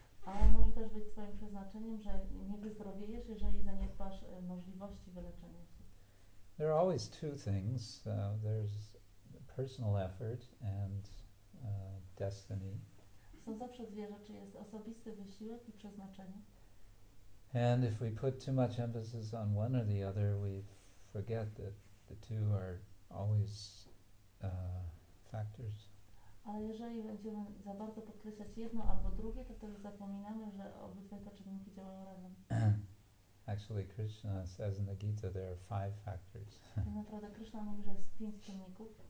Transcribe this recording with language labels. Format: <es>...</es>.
<pl>Ale może też być twoim przeznaczeniem, że nie wyzdrowiejesz, jeżeli zaniedbasz możliwości wyleczenia się.</pl> <en>There are always two things. There's personal effort and destiny.</en> <pl>Są zawsze dwie rzeczy, jest osobisty wysiłek i przeznaczenie.</pl> <en>And if we put too much emphasis on one or the other, we forget that the two are always factors.</en> <pl>Ale jeżeli będziemy za bardzo podkreślać jedno albo drugie, to wtedy zapominamy, że obydwie te czynniki działają razem.</pl> <en>Actually, Krishna says in the Gita there are five factors.</en> <pl>Naprawdę Krishna mówi, że jest pięć czynników.</pl>